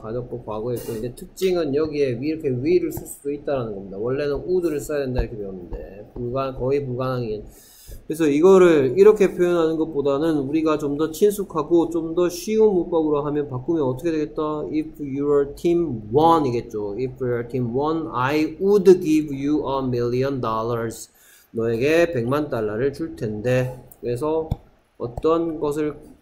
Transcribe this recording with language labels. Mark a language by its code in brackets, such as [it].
[ko] 가정법 과거의 일종인데 특징은 여기에 이렇게 will을 쓸 수도 있다는 겁니다. 원래는 would를 써야 된다 이렇게 배웠는데 거의 불가능인. 그래서 이거를 이렇게 표현하는 것보다는 우리가 좀더 친숙하고 좀더 쉬운 문법으로 하면 바꾸면 어떻게 되겠다? [en] If your team won [ko] 이겠죠. [en] If your team won, I would give you a million dollars. [ko] 너에게 100만 달러를 줄 텐데. 그래서 어떤 것을